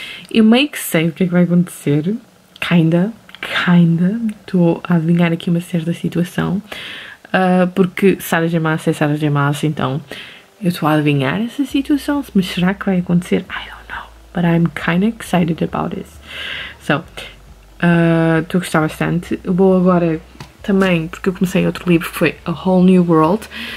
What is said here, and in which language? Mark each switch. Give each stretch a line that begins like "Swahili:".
Portuguese: Eu meio que sei o que é que vai acontecer.
English: Kinda.
Portuguese: Estou a adivinhar aqui uma certa situação. Porque Sarah J. Maas é Sarah J. Maas, então eu estou a adivinhar essa situação. Mas será que vai acontecer?
English: I don't know. But I'm kinda excited about this. So,
Portuguese: estou a gostar bastante. Vou agora também, porque eu comecei outro livro que foi A Whole New World.